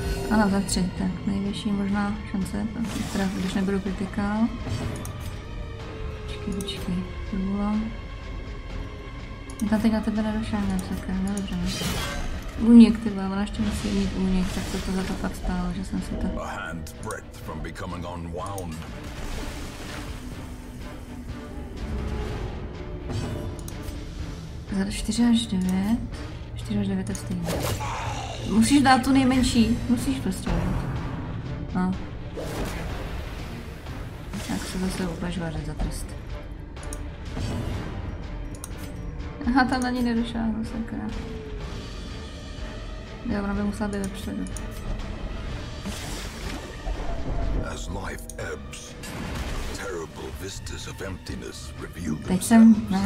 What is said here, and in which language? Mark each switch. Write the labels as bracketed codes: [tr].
[cs] Ano, za 3, tak největší možná šance, když nebudu kritikál. Počkej, to bylo. Já teď na tebe nedošel, ne, sakra, no dobře. Únik, ty vole, ona ještě musí mít únik, tak to za to pak stálo, že jsem si to... [en] A hand's breadth from becoming unwound. [cs] Zad 4 až 9. 4 až 9 je stejný. Musíš dát tu nejmenší, musíš prostě dát. No. Tak se zase úplně žvařit za trest. Aha, tam na ní nedošla, no sakra. Jo, ona by musela být vepředu. [en] As life ebbs, terrible vistas of emptiness reveal themselves.